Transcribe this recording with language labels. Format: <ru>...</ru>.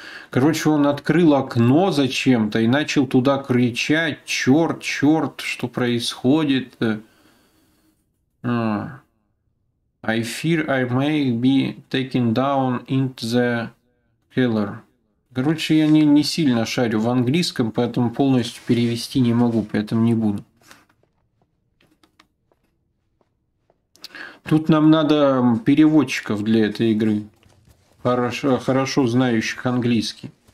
<ru>Короче, он открыл окно зачем-то и начал туда кричать: «Черт, черт, что происходит?»</ru> <en>I fear I may be taken down into the Killer.</en> <ru>Короче, я не сильно шарю в английском, поэтому полностью перевести не могу, поэтому не буду. Тут нам надо переводчиков для этой игры, хорошо знающих английский.</ru>